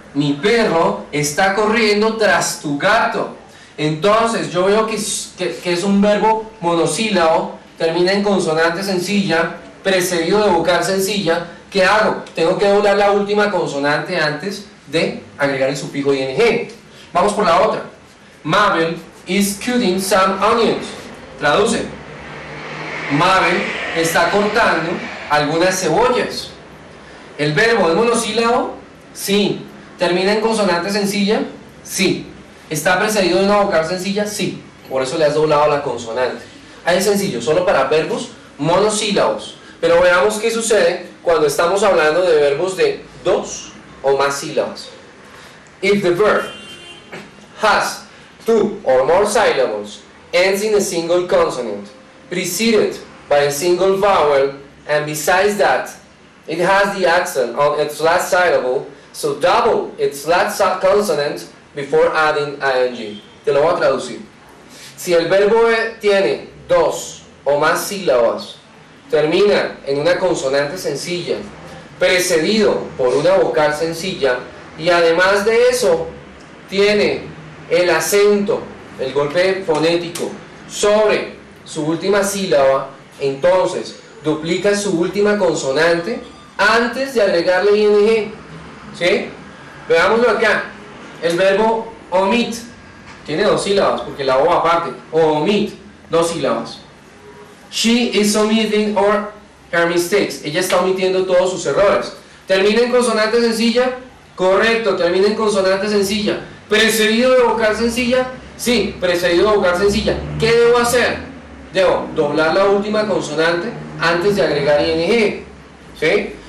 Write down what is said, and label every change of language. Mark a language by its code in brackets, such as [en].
[es] mi perro está corriendo tras tu gato. Entonces, yo veo que es un verbo monosílabo, termina en consonante sencilla, precedido de vocal sencilla. ¿Qué hago? Tengo que doblar la última consonante antes de agregar el sufijo ing. Vamos por la otra. [en] Mabel is cutting some onions. [es] Traduce. Mabel está cortando algunas cebollas. ¿El verbo es monosílabo? Sí. ¿Termina en consonante sencilla? Sí. ¿Está precedido de una vocal sencilla? Sí. Por eso le has doblado la consonante. Ahí es sencillo, solo para verbos monosílabos. Pero veamos qué sucede cuando estamos hablando de verbos de dos o más sílabas. [en] If the verb has two or more syllables, ends in a single consonant, preceded by a single vowel, and besides that, it has the accent on its last syllable, so double its last consonant before adding ing. [es] Te lo voy a traducir. Si el verbo tiene dos o más sílabas, termina en una consonante sencilla, precedido por una vocal sencilla, y además de eso, tiene el acento, el golpe fonético, sobre su última sílaba, entonces duplica su última consonante antes de agregarle ing. ¿Sí? Veámoslo acá. El verbo omit tiene dos sílabas, porque la O aparte, omit, dos sílabas. [en] She is omitting all her mistakes. [es] Ella está omitiendo todos sus errores. ¿Termina en consonante sencilla? Correcto, termina en consonante sencilla. ¿Precedido de vocal sencilla? Sí, precedido de vocal sencilla. ¿Qué debo hacer? Debo doblar la última consonante antes de agregar ing. ¿Sí?